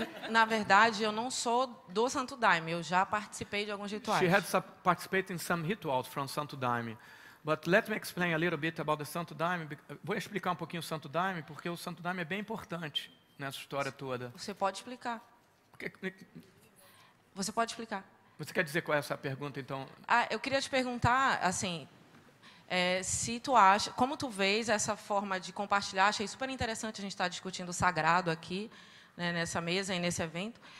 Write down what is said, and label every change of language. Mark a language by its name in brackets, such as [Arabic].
[Portuguese] Na verdade, eu não sou do Santo Daime. Eu já participei de alguns rituais. [English] She had participated in some rituals from Santo Daime. But let me explain a little bit about the Santo Daime. [Portuguese] Vou explicar um pouquinho o Santo Daime, porque o Santo Daime é bem importante nessa história toda. Você pode explicar. Você pode explicar. Você quer dizer qual é essa pergunta, então? Eu queria te perguntar, assim, se tu acha, como tu vês essa forma de compartilhar, achei super interessante a gente estar discutindo o sagrado aqui, né, nessa mesa e nesse evento.